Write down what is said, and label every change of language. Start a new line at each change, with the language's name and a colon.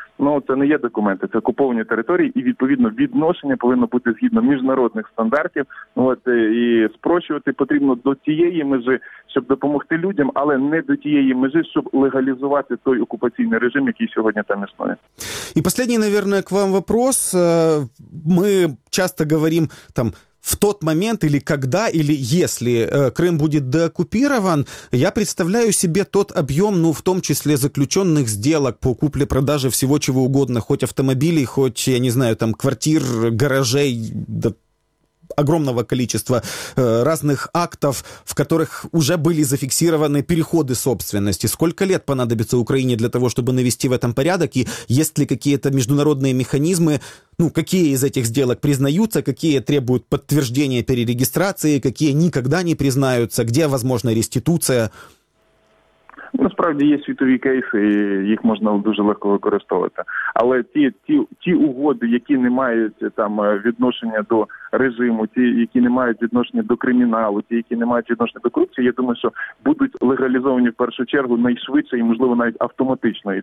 Ukrainian: Ну, це не є документи, це окуповані території, і відповідно відношення повинно бути згідно міжнародних стандартів. От і спрощувати потрібно до тієї межі, щоб допомогти людям, але не до тієї межі, щоб легалізувати той окупаційний режим, який сьогодні там існує. І останній,
Russian: наверное, к вам вопрос. Ми часто говорим там. В тот момент или когда, или если Крым будет деоккупирован, я представляю себе тот объем, ну, в том числе заключенных сделок по купле-продаже всего чего угодно, хоть автомобилей, хоть, я не знаю, там, квартир, гаражей, да, огромного количества разных актов, в которых уже были зафиксированы переходы собственности. Сколько лет понадобится Украине для того, чтобы навести в этом порядок, и есть ли какие-то международные механизмы, ну, какие из этих сделок признаются, какие требуют подтверждения перерегистрации, какие никогда не признаются, где возможна реституция?
Ukrainian: Насправді є світові кейси, і їх можна дуже легко використовувати. Але ті угоди, які не мають там відношення до режиму, ті, які не мають відношення до криміналу, ті, які не мають відношення до корупції, я думаю, що будуть легалізовані в першу чергу найшвидше і, можливо, навіть автоматично.